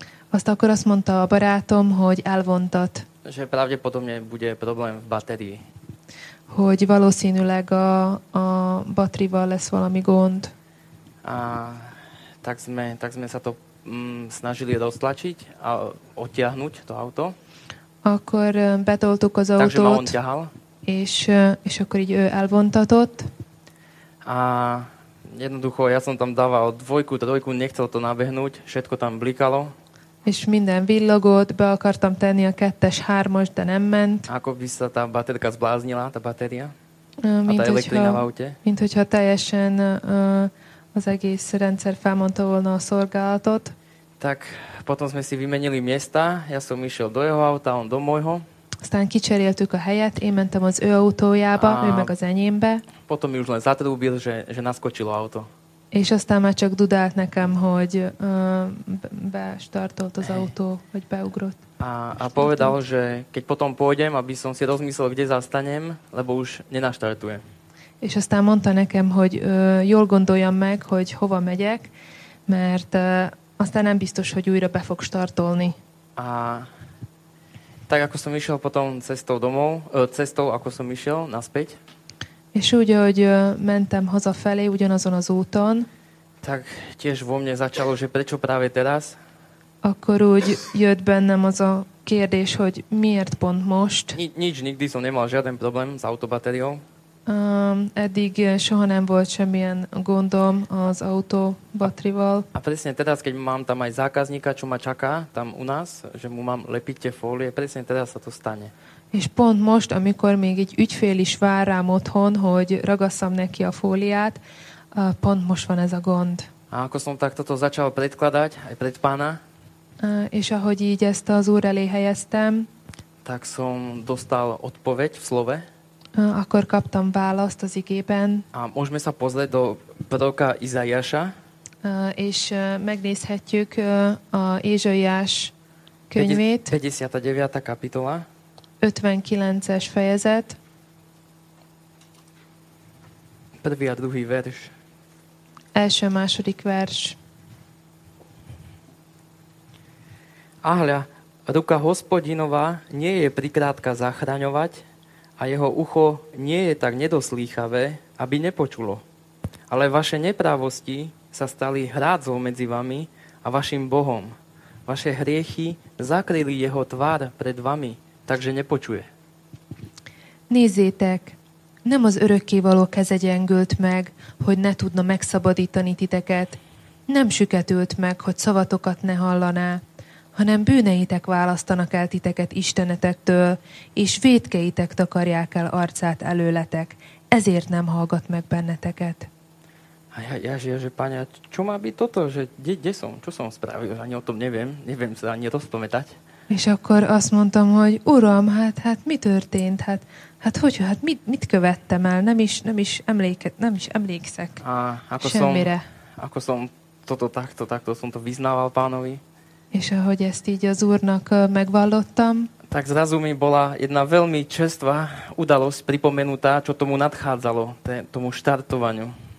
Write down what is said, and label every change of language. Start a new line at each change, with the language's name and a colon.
Hungarian: Azt akkor azt mondta a barátom, hogy elvontat.
Slovak: Že pravdepodobne bude problém v batérii.
Hungarian: Hogy valószínűleg a batterival lesz valami gond.
Slovak: A tak sme sa to snažili roztlačiť a odtiahnuť to auto.
Hungarian: Akkor betoltuk az autót.
Slovak: Takže ma on ťahal.
Hungarian: És akkor így ő elvontatott.
Slovak: A jednoducho ja som tam dával dvojku, trojku, nechcel to nabehnúť, všetko tam blikalo.
Hungarian: És minden villogott, be akartam tenni a kettes, hármas, de nem ment.
Slovak: Ako by sa tá baterka zbláznila, tá batéria? A tá elektrina v aute?
Hungarian: Mint hogyha teljesen az egész rendszer felmondta volna a szolgálatot.
Slovak: Tak potom sme si vymenili miesta, ja som išiel do jeho auta, on do môjho.
Hungarian: Aztán kicseréltük a helyet, én mentem az ő autójába, a ő meg az enyémbe.
Slovak: Potom mi už len zatrúbil, že naskočilo auto.
Hungarian: És aztán már csak dudált nekem, hogy bestartolt az autó, vagy beugrott.
Slovak: A povedal, že keď potom pôjdem, aby som si rozmyslel, kde zastanem, lebo už nenaštartuje.
Hungarian: És aztán mondta nekem, hogy jól gondoljam meg, hogy hova megyek, mert aztán nem biztos, hogy újra be fog startolni.
Slovak: A tak ako som išiel potom cestou domov, cestou ako som išiel naspäť.
Hungarian: És úgy, ahogy mentem hazafelé, ugyanazon az úton.
Slovak: Tak tiež vo mne začalo, že prečo práve teraz?
Hungarian: Akkor úgy jött bennem az a kérdés, hogy miért pont most?
Slovak: Nič, nikdy som nemal žiaden problém s autobatériou.
Hungarian: Eddig soha nem volt semmilyen gondom az autobatrival.
Slovak: A presne teraz, keď mám tam aj zákazníka, čo ma čaká tam u nás, že mu mám lepiť tie fólie, presne teraz sa to stane.
Hungarian: És pont most, amikor még egy ügyfél is vár rám otthon, hogy ragasszam neki a fóliát, pont most van ez a gond.
Slovak: A ako som tak toto začal predkladať, aj pred pána?
Hungarian: És ahogy így ezt az úr elé helyeztem,
Slovak: tak som dostal odpoveď v slove.
Hungarian: Akkor kaptam választ az igében.
Slovak: A môžeme sa pozrieť do proroka Izaiáša.
Hungarian: És megnézhetjük a Ézsaiás könyvét.
Slovak: 59. kapitola.
Hungarian: 59-es fejezet.
Slovak: Prvý a druhý verš.
Hungarian: Első, második vers.
Slovak: Ahľa, ruka hospodinová nie je prikrátka zachraňovať a jeho ucho nie je tak nedoslýchavé, aby nepočulo. Ale vaše neprávosti sa stali hrádzou medzi vami a vašim Bohom. Vaše hriechy zakryli jeho tvár pred vami, takže nepočuje.
Hungarian: Nézzétek, Nem az örökkévaló keze gyengült meg, hogy ne tudna megszabadítani titeket. Nem süketült meg, hogy szavatokat ne hallaná, hanem bűneitek választanak el titeket istenetektől, és vétkeitek takarják el arcát előletek. Ezért nem hallgat meg benneteket.
Slovak: Ja, pánia, čo má byť toto, že kde som, čo som spravil, že ani o tom neviem, neviem sa ani rozpamätať.
Hungarian: És akkor azt mondtam, hogy uram, hát mi történt, hát hogy, hát mit követtem el, nem is emlékszek
Slovak: a, ako
Hungarian: semmire.
Slovak: Ako som toto takto som to vyznával pánovi.
Hungarian: És ahogy ezt így az úrnak megvallottam.
Slovak: Tak zrazu mi bola jedna veľmi čerstvá udalosť pripomenutá, čo tomu nadchádzalo, tomu štartovaniu.